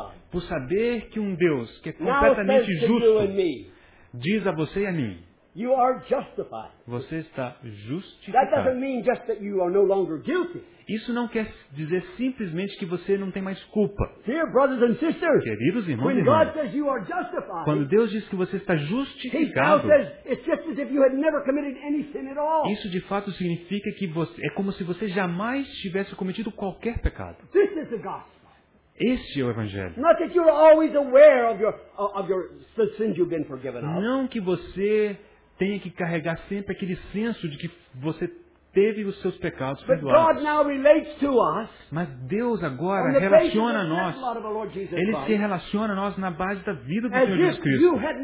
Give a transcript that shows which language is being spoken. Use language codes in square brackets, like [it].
[pt] Por saber que um Deus que é completamente justo diz a você e a mim: [en] you are justified. [pt] Você está justificado. [en] That doesn't mean just that you are no longer guilty. [pt] Isso não quer dizer simplesmente que você não tem mais culpa. [en] Dear brothers and sisters, [pt] queridos irmãos, [en] when God says you are justified, [pt] quando Deus diz que você está justificado, [en] He says it's just as if you had never committed any sin at all. [pt] Isso de fato significa que você, é como se você jamais tivesse cometido qualquer pecado. [en] This is the gospel. [pt] Este é o Evangelho. [en] Not that you're always aware of your sins you've been forgiven of. [pt] Não que você tenha que carregar sempre aquele senso de que você teve os seus pecados perdoados. Mas Deus agora relaciona a nós. Ele se relaciona a nós na base da vida do Senhor Jesus Cristo.